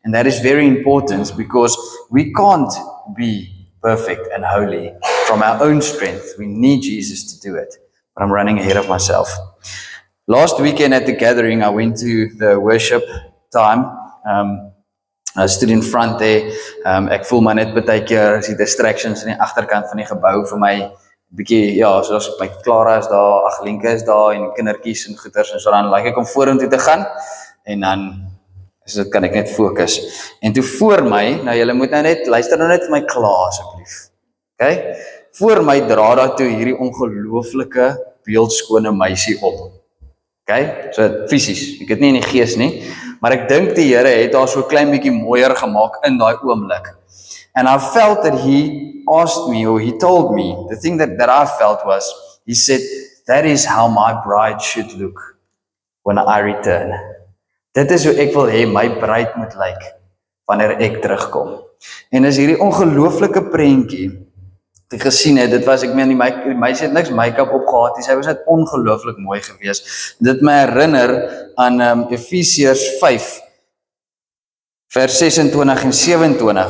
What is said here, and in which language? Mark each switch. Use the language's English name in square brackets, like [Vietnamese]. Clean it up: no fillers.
[English] And that is very important because we can't be perfect and holy from our own strength. We need Jesus to do it. But I'm running ahead of myself. Last weekend at the gathering, I went to the worship time. I stood in front there. [Afrikaans] Ek voel my net baie keer as die distractions in die agterkant van die gebou vir my bietjie, ja, soos my Clara is daar, Aglinka is daar en kindertjies en goeders en so dan like ek om vorentoe te gaan en dan so kan ek net fokus. En toe voor my, nou julle moet nou net luister nou net vir my klaar asseblief. Okay? Voor my dra daar toe hierdie ongelooflike beeldskone meisie op. Okay? So fisies, ek het nie in die gees nie. Maar ek dink die Here het haar so klein bietjie mooier gemaak in daai oomblik. [English] And I felt that he asked me or he told me, the thing that I felt was, he said, that is how my bride should look when I return. [Afrikaans] Dit is hoe ek wil hê my bruid moet lyk wanneer ek terugkom. En is hierdie ongelooflike prentjie te gesien het, dit was ek meen die meisie het niks make-up op gehad, sy was net ongelooflik mooi gewees. Dit my herinner aan Efesiërs 5 vers 26 en 27.